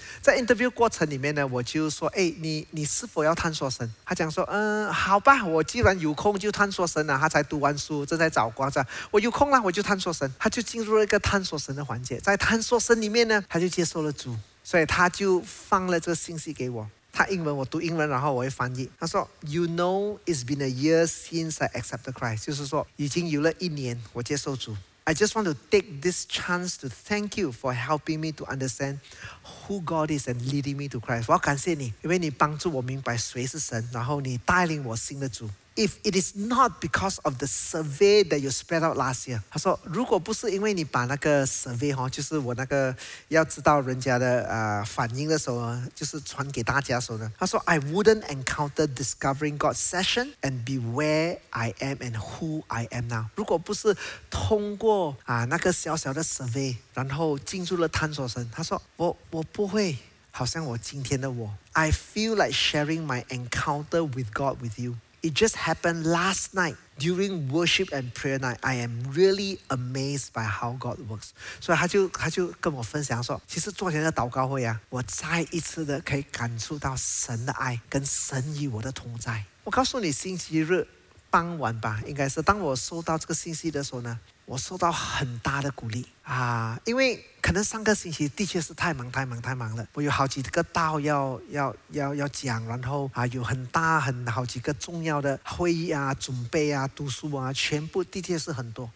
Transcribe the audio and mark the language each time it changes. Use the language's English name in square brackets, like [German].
[Chinese] 在 interview 过程里面呢，我就说，哎，你是否要探索神？他讲说，好吧，我既然有空就探索神了。他才读完书，正在找工作，我有空了，我就探索神。他就进入了一个探索神的环节，在探索神里面呢，他就接受了主，所以他就放了这个信息给我。他英文，我读英文，然后我会翻译。 [English] 他说，You know, it's been a year since I accepted Christ，就是说已经有了一年我接受主。 I just want to take this chance to thank you for helping me to understand who God is and leading me to Christ. [Chinese] 我要感谢你，因为你帮助我明白谁是神，然后你带领我信了主。 [English] If it is not because of the survey that you spread out last year, 他说，如果不是因为你把那个 survey 就是我那个要知道人家的反应的时候，就是传给大家的时候呢，他说，I wouldn't encounter discovering God session and be where I am and who I am now. [Chinese] 如果不是通过那个小小的 survey， 然后进入了探索神，他说，我不会好像我今天的我。 [English] I feel like sharing my encounter with God with you. It just happened last night during worship and prayer night. I am really amazed by how God works. [Chinese] 所以他就跟我分享说，其实昨天的祷告会啊，我再一次的可以感受到神的爱跟神与我的同在。我告诉你，星期日傍晚吧，应该是当我收到这个信息的时候呢，我受到很大的鼓励啊，因为可能上个星期的确是太忙了，我有好几个道要讲，然后有好几个重要的会议啊、准备啊、读书啊，全部的确是很多。